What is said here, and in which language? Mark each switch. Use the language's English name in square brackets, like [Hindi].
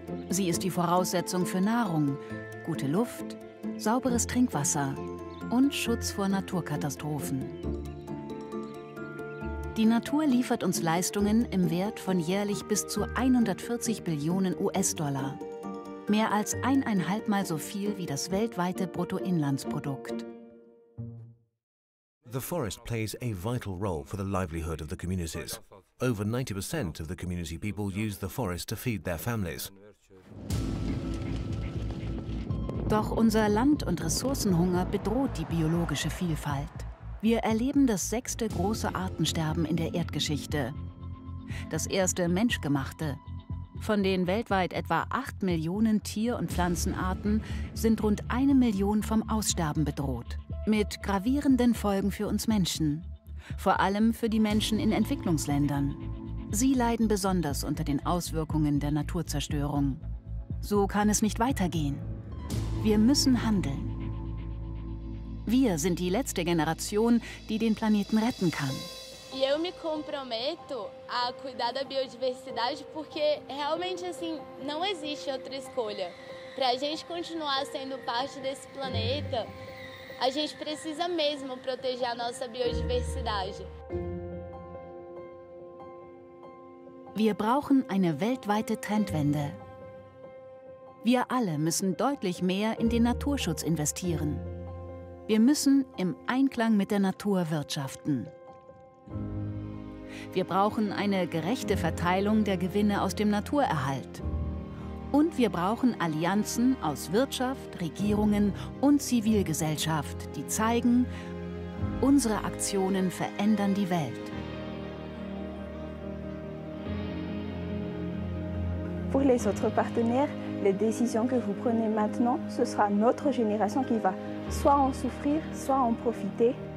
[German] Sie ist die Voraussetzung für Nahrung, gute Luft, sauberes Trinkwasser und Schutz vor Naturkatastrophen. Die Natur liefert uns Leistungen im Wert von jährlich bis zu 140 Billionen US-Dollar. Mehr als 1,5-mal so viel wie das weltweite Bruttoinlandsprodukt. [English] The forest plays a vital role for the livelihood of the communities. Over 90% of the community people use the forest to feed their families. [German] Doch unser Land- und Ressourcenhunger bedroht die biologische Vielfalt. Wir erleben das sechste große Artensterben in der Erdgeschichte. Das erste menschgemachte. Von den weltweit etwa 8 Millionen Tier- und Pflanzenarten sind rund 1 Million vom Aussterben bedroht. Mit gravierenden Folgen für uns Menschen. Vor allem für die Menschen in Entwicklungsländern. Sie leiden besonders unter den Auswirkungen der Naturzerstörung. So kann es nicht weitergehen. Wir müssen handeln. Wir sind die letzte Generation, die den Planeten retten kann. [Portuguese] Eu me comprometo a cuidar da biodiversidade porque realmente assim não existe outra escolha. Pra gente continuar sendo parte desse planeta, a gente precisa mesmo proteger a nossa biodiversidade. [German] Wir brauchen eine weltweite Trendwende. Wir alle müssen deutlich mehr in den Naturschutz investieren. Wir müssen im Einklang mit der Natur wirtschaften. Wir brauchen eine gerechte Verteilung der Gewinne aus dem Naturerhalt. Und wir brauchen Allianzen aus Wirtschaft, Regierungen und Zivilgesellschaft, die zeigen, unsere Aktionen verändern die Welt. Für die anderen Partner, [French] les décisions que vous prenez maintenant, ce sera notre génération qui va soit en souffrir, soit en profiter.